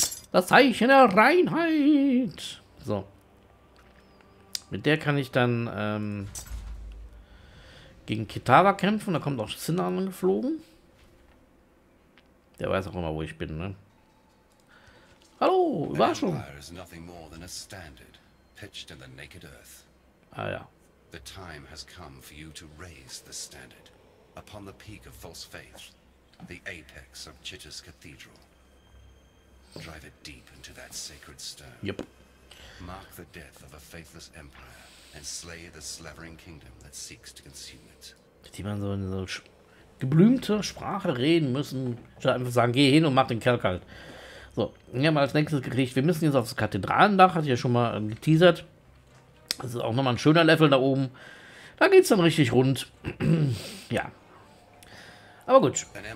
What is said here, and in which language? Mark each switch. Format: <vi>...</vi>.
<de>Das Zeichen der Reinheit. So. Mit der kann ich dann gegen Kitara kämpfen. Da kommt auch Sinn angeflogen. Der weiß auch immer, wo ich bin, ne? Hallo, Überraschung.</de> <en>Empire is nothing more than a standard pitched in the naked earth.</en> <de>Ah ja.</de> <en>The time has come for you to raise the standard upon the peak of false faith, the apex of Chitta's cathedral. Drive it deep into that sacred stone. Yep. Mark the death of a faithless empire and slay the slavering kingdom that seeks to consume it.</en> <de>Die man so in so geblümte Sprache reden müssen, statt einfach sagen, geh hin und mach den Kerl kalt. So, wir haben als nächstes gekriegt, wir müssen jetzt aufs Kathedralendach, hat ja schon mal geteasert. Das ist auch nochmal ein schöner Level da oben. Da geht's dann richtig rund. Ja. Aber gut.</de>